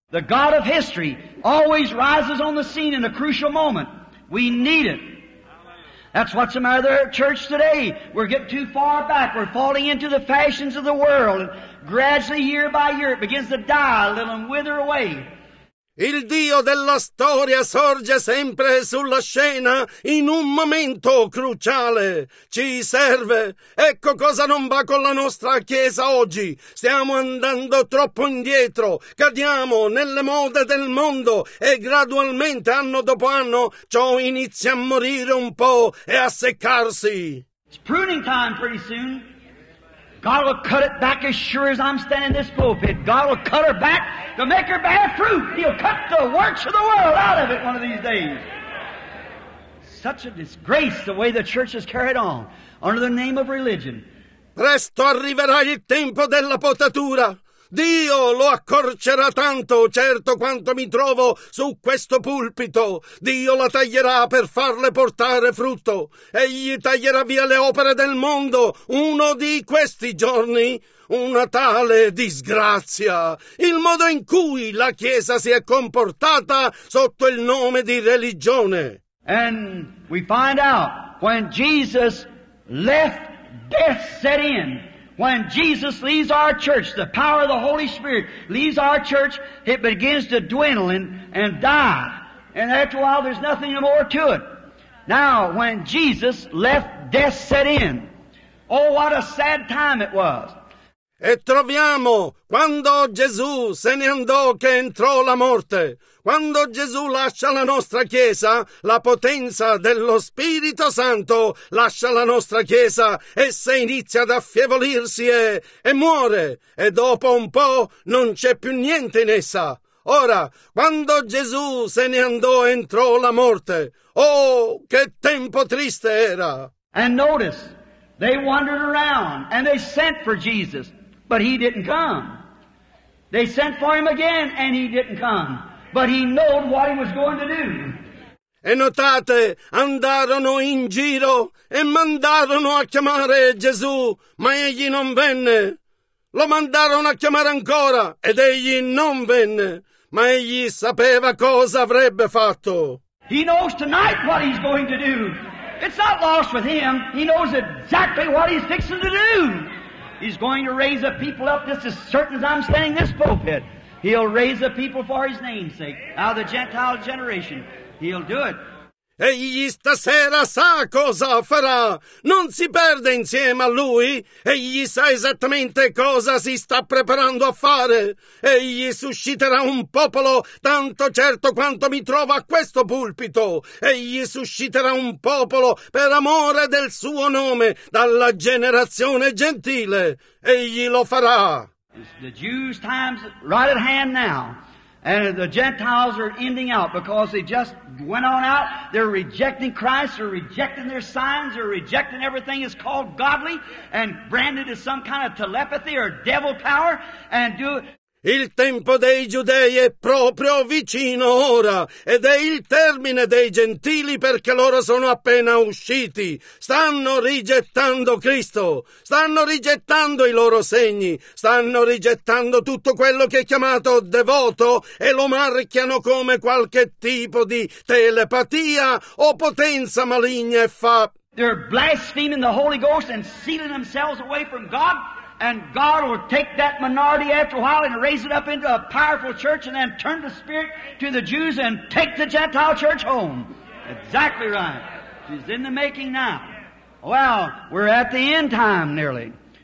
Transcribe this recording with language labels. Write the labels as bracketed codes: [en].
[en] The God of history always rises on the scene in a crucial moment. We need it. That's what's the matter with our church today. We're getting too far back. We're falling into the fashions of the world. And gradually, year by year, it begins to die a little and wither away. [it] Il Dio della storia sorge sempre sulla scena in un momento cruciale. Ci serve. Ecco cosa non va con la nostra Chiesa oggi. Stiamo andando troppo indietro. Cadiamo nelle mode del mondo e gradualmente, anno dopo anno, ciò inizia a morire un po' e a seccarsi. [en] It's pruning time pretty soon. God will cut it back as sure as I'm standing in this pulpit. God will cut her back to make her bear fruit. He'll cut the works of the world out of it one of these days. Such a disgrace the way the church has carried on under the name of religion. [it] Presto arriverà il tempo della potatura. Dio lo accorcerà tanto, certo, quanto mi trovo su questo pulpito. Dio la taglierà per farle portare frutto. Egli taglierà via le opere del mondo. Uno di questi giorni, una tale disgrazia. Il modo in cui la Chiesa si è comportata sotto il nome di religione. [en] And we find out when Jesus left, death set in. When Jesus leaves our church, the power of the Holy Spirit leaves our church, it begins to dwindle and die. And after a while, there's nothing more to it. Now, when Jesus left, death set in. Oh, what a sad time it was. [it] E troviamo, quando Gesù se ne andò, che entrò la morte. Quando Gesù lascia la nostra Chiesa, la potenza dello Spirito Santo lascia la nostra Chiesa, essa inizia ad affievolirsi e muore, e dopo un po' non c'è più niente in essa. Ora, quando Gesù se ne andò, entrò la morte. Oh, che tempo triste era! [en] And notice, they wandered around, and they sent for Jesus, but he didn't come. They sent for him again, and he didn't come. But he knew what he was going to do. [it] E notate, andarono in giro e mandarono a chiamare Gesù, ma egli non venne. Lo mandarono a chiamare ancora ed egli non venne, ma egli sapeva cosa avrebbe fatto. [en] He knows tonight what he's going to do. It's not lost with him. He knows exactly what he's fixing to do. He's going to raise a people up just as certain as I'm standing this pulpit. He'll raise the people for his name's sake. Out of the Gentile generation, he'll do it. [it] Egli stasera sa cosa farà. Non si perde insieme a lui. Egli sa esattamente cosa si sta preparando a fare. Egli susciterà un popolo tanto certo quanto mi trova a questo pulpito. Egli susciterà un popolo per amore del suo nome dalla generazione gentile. Egli lo farà. [en] The Jews' times right at hand now. And the Gentiles are ending out because they just went on out. They're rejecting Christ. They're rejecting their signs. They're rejecting everything that's called godly and branded as some kind of telepathy or devil power. And do [it] Il tempo dei giudei è proprio vicino ora, ed è il termine dei gentili perché loro sono appena usciti. Stanno rigettando Cristo, stanno rigettando i loro segni, stanno rigettando tutto quello che è chiamato devoto e lo marchiano come qualche tipo di telepatia o potenza maligna e fa... [en] They're blaspheming the Holy Ghost and sealing themselves away from God. And God will take that minority after a while and raise it up into a powerful church and then turn the spirit to the Jews and take the Gentile church home. Exactly right. She's in the making now. Well, we're at the end time nearly.